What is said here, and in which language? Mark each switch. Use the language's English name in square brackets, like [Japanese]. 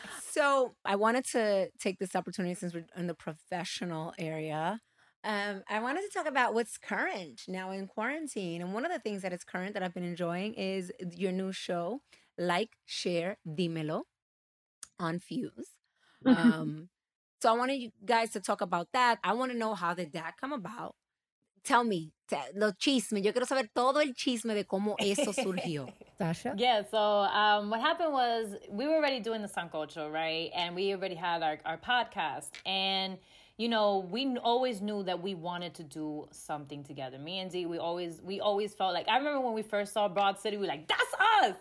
[English] So I wanted to take this opportunity, since we're in the professional area, I wanted to talk about what's current now in quarantine. And one of the things that is current that I've been enjoying is your new show, Like, Share, Dímelo, on Fuse. So I wanted you guys to talk about that. I want to know, how did that come about? Tell me, [Spanish] lo chisme. Yo quiero saber todo el chisme de cómo eso surgió. [English] Sasha? Yeah, so what happened was, we were already doing the Sancocho, right? And we already had our podcast. And, you know, we always knew that we wanted to do something together. Me and Dee, we always felt like, I remember when we first saw Broad City, we were like, that's us!